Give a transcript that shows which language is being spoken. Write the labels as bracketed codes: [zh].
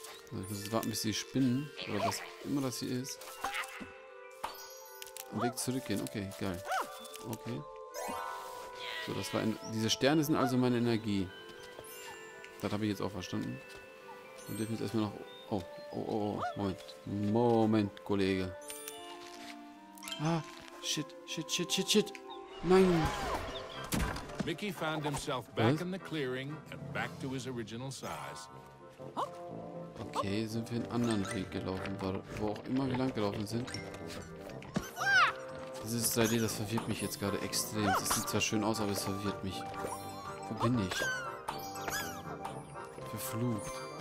[de] Also ich muss jetzt warten, bis die Spinnen oder was immer das hier ist. Den Weg zurückgehen. Okay, geil. Okay. So, das war. Diese Sterne sind also meine Energie. Das habe ich jetzt auch verstanden. Wir dürfen jetzt erstmal noch. Oh, oh, oh, oh. Moment. Moment, Kollege. [en] Ah, shit, shit, shit, shit, shit. [de] Nein. [en] Mickey found himself back in the clearing and back to his original size. [de] Okay, sind wir einen anderen Weg gelaufen, wo auch immer wir lang gelaufen sind. Dieses 3D, das verwirrt mich jetzt gerade extrem. Das sieht zwar schön aus, aber es verwirrt mich. Wo bin ich? Verflucht.